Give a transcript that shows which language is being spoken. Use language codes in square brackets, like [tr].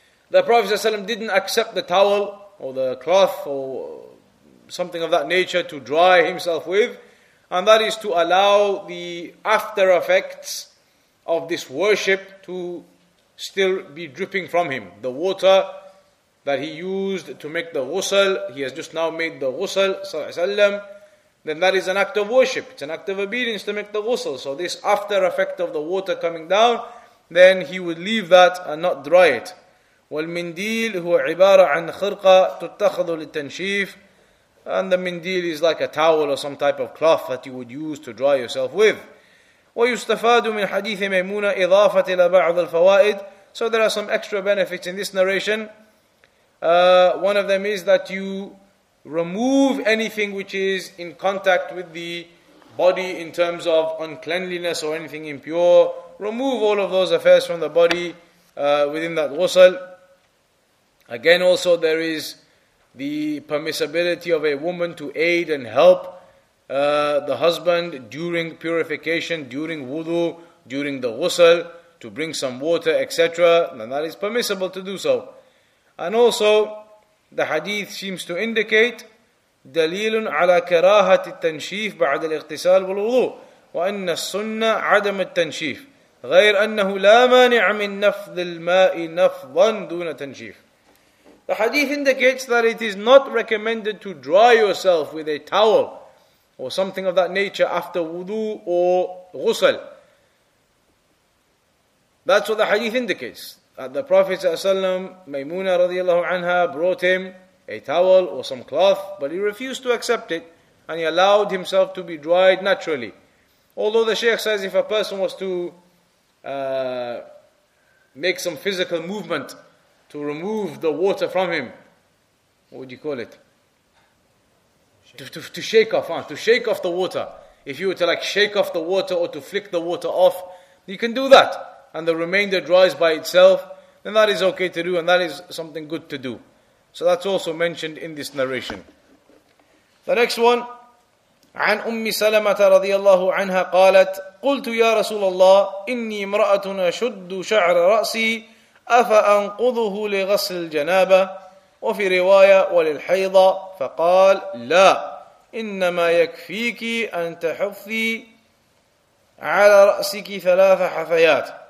[en] The Prophet ﷺ didn't accept the towel or the cloth or something of that nature to dry himself with, and that is to allow the after effects of this worship to still be dripping from him. The water that he used to make the ghusl, he has just now made the ghusl, sallallahu alayhi wa sallam, then that is an act of worship. It's an act of obedience to make the ghusl. So this after effect of the water coming down, then he would leave that and not dry it. [ar] والمنديل هو عبارة عن خرقة تتخذ للتنشيف. [en] And the mindil is like a towel or some type of cloth that you would use to dry yourself with. [ar] ويستفاد من حديث ميمونة إضافة إلى بعض الفوائد. [en] So there are some extra benefits in this narration. One of them is that you remove anything which is in contact with the body in terms of uncleanliness or anything impure. Remove all of those affairs from the body within that ghusl. Again, also there is the permissibility of a woman to aid and help the husband during purification, during wudu, during the ghusl, to bring some water, etc. And that is permissible to do so. And also, the hadith seems to indicate [ar] دليل على كراهة التنشيف بعد الاغتسال والوضوء وأن السنة عدم التنشيف غير أنه لا مانع من نفض الماء نفضا دون تنشيف. [en] The hadith indicates that it is not recommended to dry yourself with a towel or something of that nature after wudu or ghusl. That's what the hadith indicates. That the Prophet ﷺ, Maymuna radiallahu anha, brought him a towel or some cloth, but he refused to accept it, and he allowed himself to be dried naturally. Although the Shaykh says if a person was to make some physical movement to remove the water from him, what would you call it? To shake off the water. If you were to like shake off the water or to flick the water off, you can do that, and the remainder dries by itself, then that is okay to do, and that is something good to do. So that's also mentioned in this narration. The next one, [ar] عن أم سلمة رضي الله عنها قالت قلت يا رسول الله إني امرأة أشد شعر رأسي أفأنقضه لغسل الجنابة وفي رواية وللحيضة فقال لا إنما يكفيك أن تحفي على رأسك ثلاث حفيات.